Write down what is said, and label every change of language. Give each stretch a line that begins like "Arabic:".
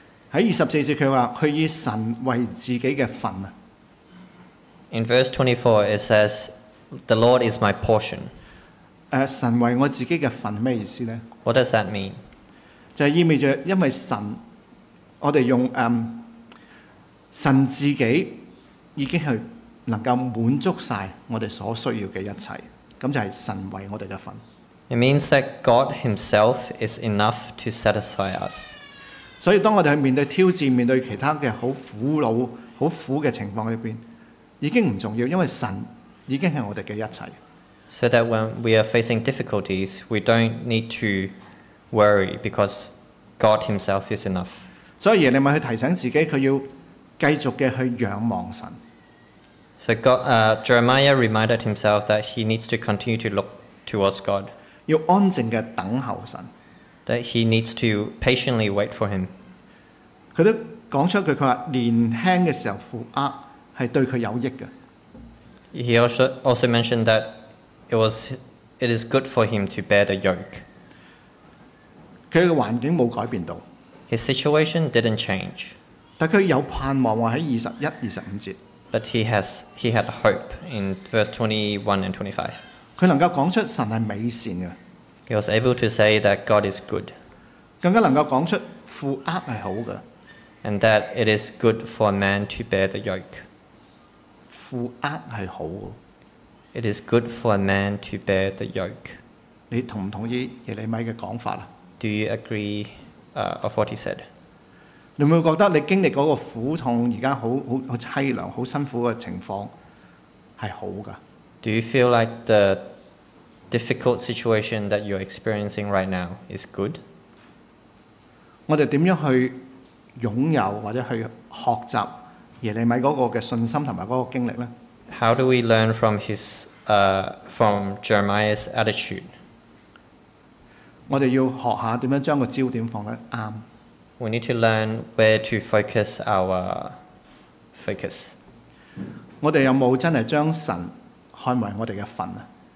Cantonese: 在二十四節，佢話佢以神為自己嘅份啊。
English: In verse 24, it says, "The Lord is my portion."
Cantonese: 神為我自己嘅份咩意思咧
English: ？What does that mean?
Cantonese: 就係意味著，因為神，我哋用神自己已經係能夠滿足曬我哋所需要嘅一切，咁就係神為我哋嘅份。
English: It means that God Himself is enough to satisfy us.
Cantonese: 所以當我們去面對挑戰，面對其他的很苦惱、很苦的情況裏面，已經不重要，因為神已經是我們的一切。
English: So that when we are facing difficulties, we don't need to worry because God Himself is enough.
Cantonese: 所以耶利米去提醒自己，他要繼續的去仰望神。
English: So God, Jeremiah reminded himself that he needs to continue to look towards God.
Cantonese: 要安靜的等候神。
English: That he needs to patiently wait for him.
Cantonese: 佢都講出一句，佢話年輕嘅時候負壓係對佢有益嘅。
English: He also mentioned that it is good for him to bear the yoke.
Cantonese: 佢嘅環境冇改變到。
English: His situation didn't change.
Cantonese: 但佢有盼望喎喺二十一、二十五節。
English: But he had hope in verse 21 and 25.
Cantonese: 佢能夠講出神係美善嘅。
English: He was able to say that God is good.
Cantonese: 更加能夠講出負壓係好嘅。
English: And that it is good for a man to bear the yoke.
Cantonese: 負壓係好嘅。
English: It is good for a man to bear the yoke.
Cantonese: 你同唔同意耶利米嘅講法啊？
English: Do you agree of what he said?
Cantonese: 你會唔會覺得你經歷嗰個苦痛，而家好淒涼、好辛苦嘅情況係好噶？
English: Do you feel like the difficult situation that you're experiencing right now is good?
Cantonese: 我哋點樣去擁有或者去學習耶利米嗰個嘅信心同埋嗰個經歷咧？
English: How do we learn from from Jeremiah's attitude?
Cantonese: 我哋要學下點樣將個焦點放得啱。
English: We need to learn where to focus our focus.
Cantonese: 我哋有冇真係將神看為我哋嘅份啊？